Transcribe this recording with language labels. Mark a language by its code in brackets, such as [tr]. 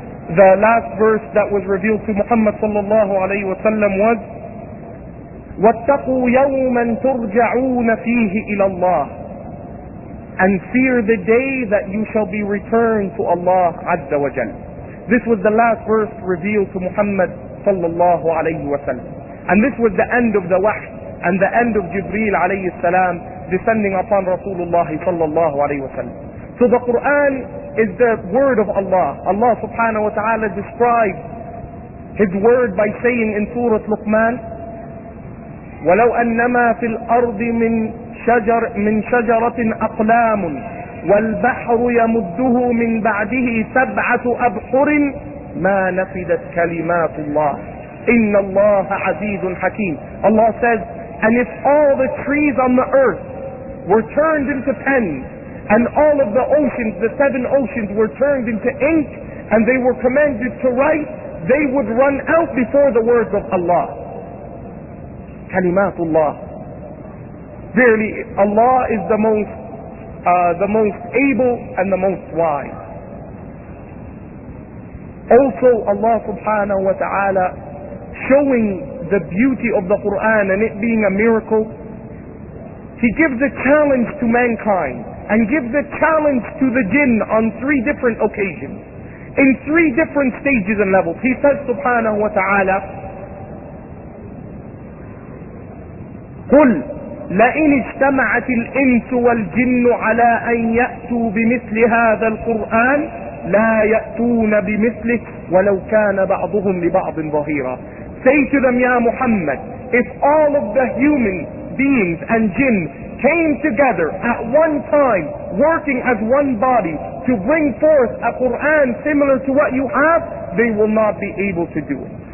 [en] The last verse that was revealed to Muhammad sallallahu alayhi wa sallam was, [ar] وَاتَّقُوا يَوْمًا تُرْجَعُونَ فِيهِ إِلَى اللَّهِ, [en] and fear the day that you shall be returned to Allah عز وجل. This was the last verse revealed to Muhammad sallallahu alayhi wa sallam. And this was the end of the wahy and the end of Jibreel alayhi salam descending upon Rasulullah sallallahu alayhi wa sallam. So the Quran is the word of Allah. [ar] Allah subhanahu wa ta'ala [en] described His word by saying in [ar] Surah Luqman, وَلَوْ أَنَّمَا فِي الْأَرْضِ مِنْ شَجَرَةٍ أَقْلَامٌ وَالْبَحْرُ يَمُدُّهُ مِنْ بَعْدِهِ سَبْعَةُ أَبْحُرٍ مَا نَفِدَتْ كَلِمَاتُ اللَّهِ إِنَّ اللَّهَ عَزِيزٌ حَكِيمٌ. [en] Allah says, and if all the trees on the earth were turned into pens, and all of the oceans, the seven oceans, were turned into ink, and they were commanded to write, they would run out before the words of Allah. Kalimatullah. Verily, Allah is the most able and the most wise. Also, Allah subhanahu wa ta'ala, showing the beauty of the Quran and it being a miracle, He gives a challenge to mankind. And gives a challenge to the jinn on three different occasions, in three different stages and levels. He says, [ar] subhanahu wa ta'ala, قُلْ لَئِنِ اجْتَمَعَتِ الْإِنْسُ وَالْجِنُّ عَلَىٰ أَنْ يَأْتُوا بِمِثْلِ هَذَا الْقُرْآنِ لَا يَأْتُونَ بِمِثْلِهِ وَلَوْ كَانَ بَعْضُهُمْ لِبَعْضٍ ظَهِيرًا. [en] Say to them, Ya Muhammad, if all of the human beings and jinn came together at one time, working as one body, to bring forth a Qur'an similar to what you have, they will not be able to do it.